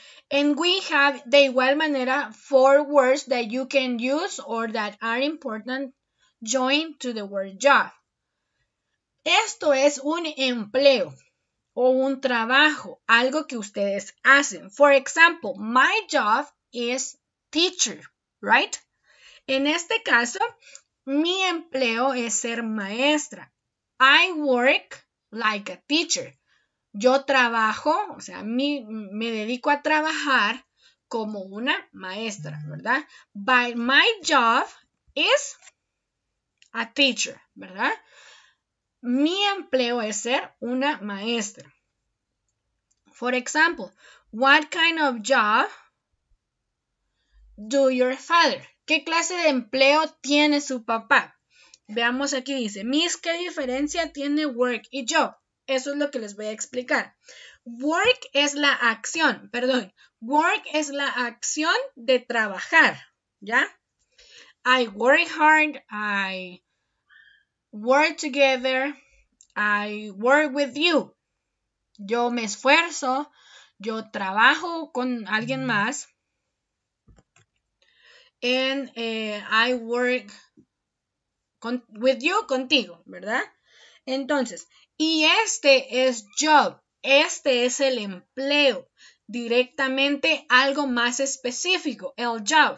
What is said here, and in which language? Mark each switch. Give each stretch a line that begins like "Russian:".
English: And we have,
Spanish: de igual manera,
English: four words that you can use or that are important joined to the word job.
Spanish: Esto es un empleo o un trabajo, algo que ustedes hacen.
English: For example, my job is teacher, right?
Spanish: En este caso, mi empleo es ser maestra.
English: I work like a teacher.
Spanish: Yo trabajo, o sea, me dedico a trabajar como una maestra, ¿verdad?
English: But my job is a teacher, ¿verdad?
Spanish: Mi empleo es ser una maestra.
English: For example, what kind of job do your father?
Spanish: ¿Qué clase de empleo tiene su papá? Veamos aquí, dice, Miss, ¿qué diferencia tiene work y job? Eso es lo que les voy a explicar. Work es la acción, perdón, work es la acción de trabajar, ¿ya?
English: I work hard, I work together, I work with you.
Spanish: Yo me esfuerzo, yo trabajo con alguien más.
English: I work with you,
Spanish: contigo,
English: ¿verdad?
Spanish: Entonces, y este es job, este es el empleo, directamente algo más específico, el job.